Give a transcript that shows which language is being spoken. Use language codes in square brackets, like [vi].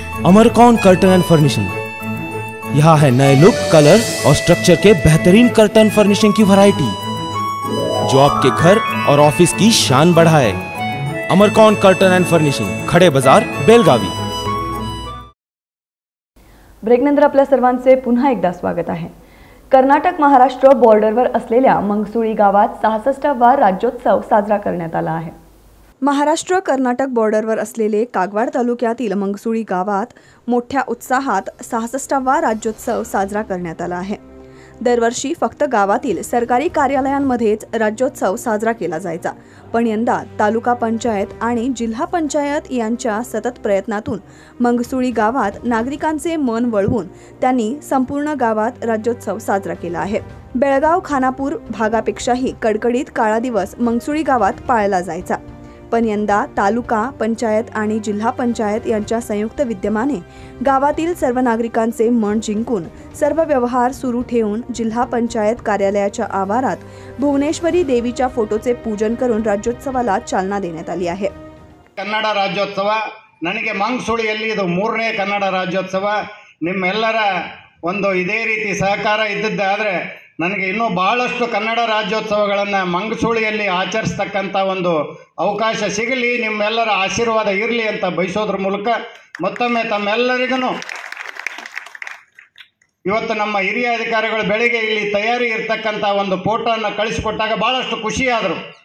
[hi] अमरकॉन curtain and furnishing, यहाँ है नए लुक, कलर और स्ट्रक्चर के बेहतरीन कर्टन फर्निशिंग की वैरायटी, जो आपके घर और ऑफिस की शान बढ़ाए। अमरकॉन कर्टन एंड फर्निशिंग, खड़े बाजार, बेलगावी। [mr] ब्रेकनंतर आपल्या सर्वांचे पुन्हा एकदा स्वागत आहे। कर्नाटक महाराष्ट्र बॉर्डरवर असलेल्या मंगसुळी गावात 66वा राज्योत्सव साजरा करण्यात आला आहे। महाराष्ट्र कर्नाटक बॉर्डरवर असलेले कागवाड तालुक्यातील मंगसुळी गावात मोठ्या उत्साहात 66वा राज्योत्सव साजरा करण्यात आला आहे। दरवर्षी फक्त गावातील सरकारी कार्यालयांमध्येच राज्योत्सव साजरा केला जायचा, पण यंदा तालुका पंचायत आणि जिल्हा पंचायत यांच्या सतत प्रयत्नातून मंगसुळी गावात नागरिकांचे मन वळवून त्यांनी संपूर्ण गावात राज्योत्सव साजरा केला आहे। बेळगाव खानापूर भागापेक्षाही कडकडीत काळा दिवस मंगसुळी गावात पाळला जायचा, पण यंदा तालुका पंचायत आणि जिल्हा पंचायत यांच्या संयुक्त विद्यमाने गावातील सर्व नागरिकांचे मन जिंकून सर्व व्यवहार सुरू ठेवून जिल्हा पंचायत कार्यालयाच्या आवारात भुवनेश्वरी देवीच्या फोटोचे पूजन करून राज्योत्सवाला चालना देण्यात आली आहे। [kn] कन्नड राज्योत्सव ನನಗೆ ಮಂಗಸುಳಿಯಲ್ಲಿ ಇದು ಮೂರನೇ ಕನ್ನಡ ರಾಜ್ಯೋತ್ಸವ ನಿಮ್ಮೆಲ್ಲರ ಒಂದು ಇದೇ ರೀತಿ ಸಹಕಾರ ಇದ್ದಿದ್ದಾದ್ರೆ ನನಗೆ ಇನ್ನೂ ಬಹಳಷ್ಟು ಕನ್ನಡ ರಾಜ್ಯೋತ್ಸವಗಳನ್ನು ಮಂಗಸುಳಿಯಲ್ಲಿ ಆಚರಿಸ್ತಕ್ಕಂಥ ಒಂದು ಅವಕಾಶ ಸಿಗಲಿ, ನಿಮ್ಮೆಲ್ಲರ ಆಶೀರ್ವಾದ ಇರಲಿ ಅಂತ ಬಯಸೋದ್ರ ಮೂಲಕ ಮತ್ತೊಮ್ಮೆ ತಮ್ಮೆಲ್ಲರಿಗೂ ಇವತ್ತು ನಮ್ಮ ಹಿರಿಯ ಅಧಿಕಾರಿಗಳು ಬೆಳಿಗ್ಗೆ ಇಲ್ಲಿ ತಯಾರಿ ಇರ್ತಕ್ಕಂಥ ಒಂದು ಫೋಟೋವನ್ನು ಕಳಿಸಿಕೊಟ್ಟಾಗ ಭಾಳಷ್ಟು ಖುಷಿಯಾದರು।